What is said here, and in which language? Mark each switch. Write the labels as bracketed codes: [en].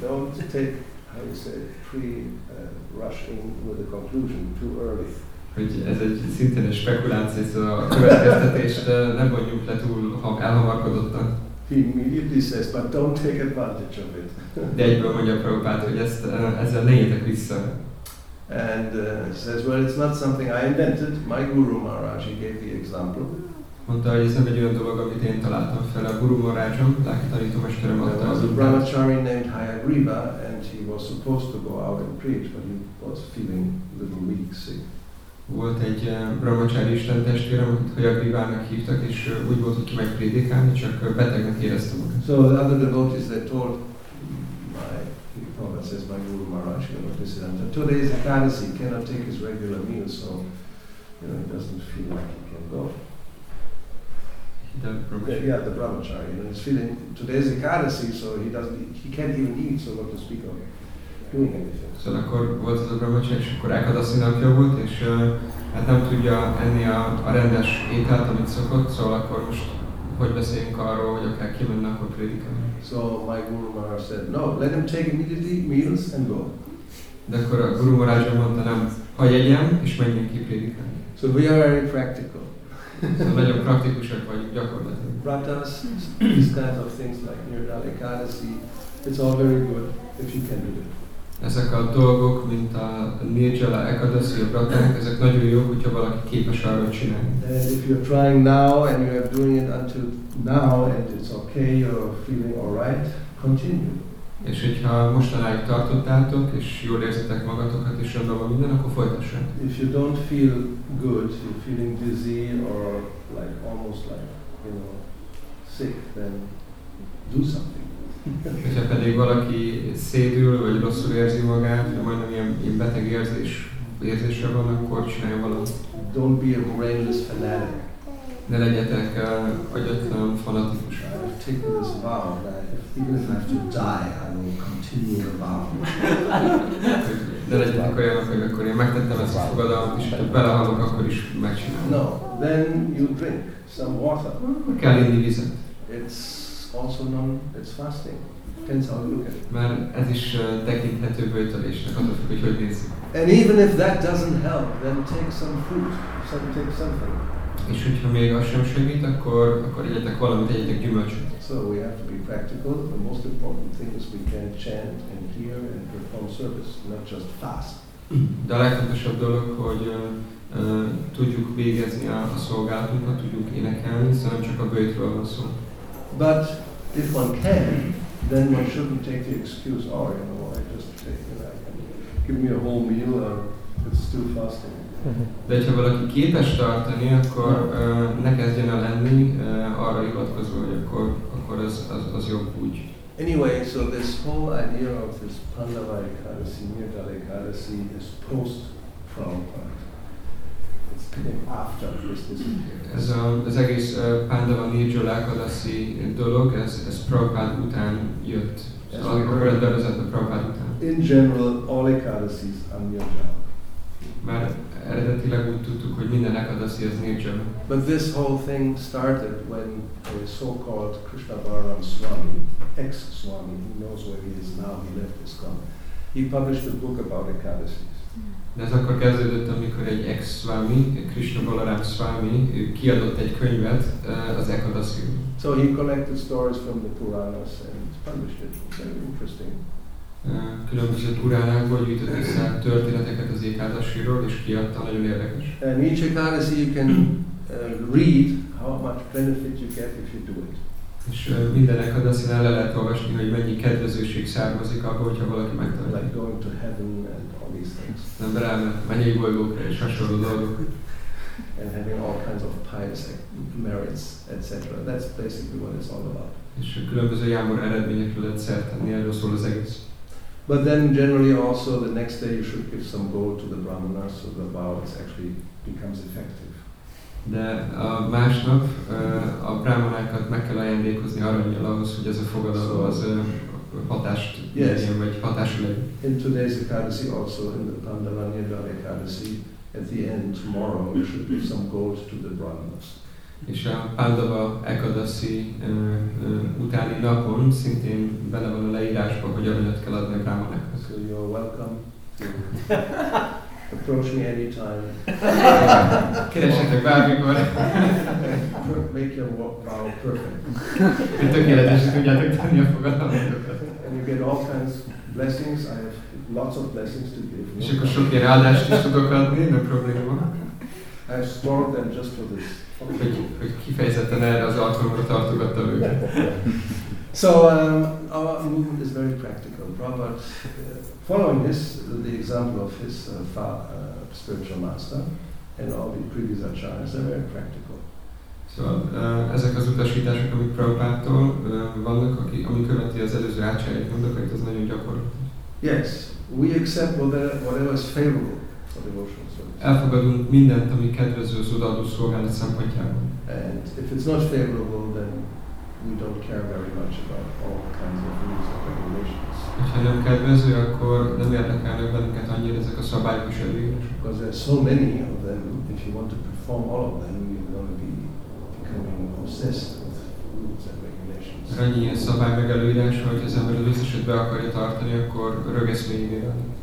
[en] Don't take, how you say, pre-rushing with a conclusion too early. [hu] Hogy ez egy szintén egy spekuláció, ez a következtetés, nem vagyunk le túl elhamarkodottan. [en] He immediately says, but don't take advantage of it. [hu] De egyből mondja Prabhupada, hogy ezzel ne jöjjetek vissza. [en] And says, well, it's not something I invented. My Guru Maharaj, he gave the example. [hu] Mondta, hogy ez nem egy olyan dolog, amit én találtam fel. A Guru Maharajom, lelki tanítómesterem adta. [en] There was a brahmachari named Hayagriva, and he was supposed to go out and preach, but he was feeling a little weak, sick. [hu] Volt egy brahmachari istentestvérem, amit Hayagrivának hívtak, és úgy volt, hogy kimegy prédikálni, csak betegnek érezte magát. [en] So the other devotees, they told my Prabhupada says, my Guru Maharaj, you know, this is under 2 days of fantasy, he cannot take his regular meal, so, you know, he doesn't feel like he can go. The brahmachari, you know, he's feeling, today's Ekadasi, so he can't even eat, so what to speak of, doing anything. [hu] So, akkor volt ez a brahmachari, és akkor Ekadasi napja volt, és hát nem tudja enni a rendes ételt, amit szokott, szóval akkor most hogy beszéljünk arról, hogy akár kimenne, akkor prédikálni. [en] So my Guru Maharaj said, no, let him take immediately meals and go. [hu] De akkor a Guru Maharaj mondta, nem, hagyjam, és menjen ki prédikálni. [en] So we are very practical. [hu] Szóval nagyon praktikusak vagyunk, gyakorlatilag. [en] Vratas, these kinds of things like Nirdal Ekadasi, it's all very good if you can do it. [hu] Ezek a dolgok, mint a Nirjala Ekadasi, a Vratánk, ezek nagyon jók, hogyha valaki képes arra csinálni. [en] And if you're trying now and you are doing it until now and it's okay, you're feeling alright, continue. [hu] És hogyha mostanáig tartottátok, és jól érzitek magatokat, és rendben van minden, akkor folytassátok. [en] If you don't feel good, you're feeling dizzy or like almost like, you know, sick, then do something. [hu] Hogyha pedig valaki szédül, vagy rosszul érzi magát, de majdnem ilyen beteg érzés, érzése van, akkor csinálja valamit. [en] Don't be a brainless fanatic. [hu] Ne legyetek agyatlan fanatikus. [en] I've taken this vow that even if I have to die, I will continue the vow. [hu] Ne legyetek olyan, hogy akkor én megtettem ezt a fogadalmat, és ha belehalok, akkor is megcsinálom. [en] No, then you drink some water. [hu] Kell inni vizet. [en] It's also known, it's fasting. Depends how you look at it. [hu] Mert ez is tekinthető bőtölésnek, attól függ, hogy hogy nézzük. [en] And even if that doesn't help, then take some fruit, some, take something. [hu] És hogyha még az sem segít, akkor egyetek valamit, egyetek gyümölcsöt. [en] So we have to be practical. The most important thing is we can chant and hear and perform service, not just fast. [hu] De a legfontosabb dolog, hogy tudjuk végezni a szolgálatunkat, tudjuk énekelni, szóval csak a bőtről van szó. [en] But if one can, then one shouldn't take the excuse, oh, you know, I just take it, I can give me a whole meal, it's still fasting. [hu] De ha valaki képes tartani, akkor ne kezdjen el lenni arra hivatkozva, hogy akkor az jobb úgy. [en] Anyway, so this whole idea of this Pandava Ekadasi, Nirdala Ekadasi is post-Prabhupada. It's coming after his disappearance. [hu] Ez egész Pandava Nirdala Ekadasi dolog, ez Prabhupada után jött. Akkor ez bevezett a Prabhupada után. [en] In general, all Ekadasis are Nirdala. [hu] Mert eredetileg úgy tudtuk, hogy minden ekadasi az nirdzsala. [en] But this whole thing started when a so-called Krishna Balaram Swami, ex-Swami, who knows where he is now, he left his coma. He published a book about ekadasis. [hu] De ez akkor kezdődött, amikor egy ex-Swami, Krishna Balaram Swami, kiadott egy könyvet az ekadasiról. [en] So he collected stories from the Puranas and published it. It's very interesting. [hu] Különböző turánákból gyűjtött össze történeteket az ékádasiról, és kiadta, nagyon érdekes. [en] And each ékádasi you can read how much benefit you get if you do it. [hu] És minden ékádasin el lehet olvasni, hogy mennyi kedvezőség származik abból, hogyha valaki megtanulja. [en] Like going to heaven and all these things. [hu] Nem belemet, mennyi bolygókra és hasonló dolgok. [en] And having all kinds of pious merits, etc. That's basically what it's all about. [hu] És különböző jámor eredményekről lehet szertenni, erről szól az egész. [en] But then generally also the next day you should give some gold to the brahmana so the vow actually becomes effective. [hu] De a másnap a brahmanákat meg kell ajándékozni aranyjal ahhoz, hogy ez a fogadalom az hatást legyen, vagy hatású legyen. [en] In today's ekadasi also, in the Pandava Nirdala Ekadasi, at the end, tomorrow, you should give some gold to the brahmanas. [hu] És a Pandava Ekadasi utáni napon szintén bele van a leírásban, hogy aranyat kell adni a brámanáknak. [en] So you're welcome. Approach me anytime. [hu] Keresetek bármikor. [en] Make your walk vow perfect. [hu] Tökéletes, hogy tudjátok tenni a fogadalmatokat. [en] And you get all kinds of blessings. I have lots of blessings to give. [hu] És akkor sok ilyen áldást is tudok adni, no probléma. [en] I have stored them just for this. [hu] Hogy kifejezetten erre az alkalomra tartogattam őket. [en] So our movement is very practical. Prabhupada, following this, the example of his spiritual master and all the previous acharyas, they're very practical. [hu] So ezek az utasítások, amik Prabhupádtól vannak, ami követi az előző acharyát, mondok, hogy ez nagyon gyakorlatilag. [en] Yes, we accept whatever is favorable for devotion. [hu] Elfogadunk mindent, ami kedvező az odaadó szolgálat szempontjából. [en] And if it's not favorable, then we don't care very much about all kinds of rules and regulations. [hu] Hogyha nem kedvező, akkor nem érdekelnek bennünket annyira ezek a szabályok és elvek. [en] Because there are so many of them, if you want to perform all of them, you're going to be becoming obsessed with rules and regulations. [hu] Annyi ilyen szabály meg előírás, hogy az ember az összeset be akarja tartani, akkor rögeszményé válik.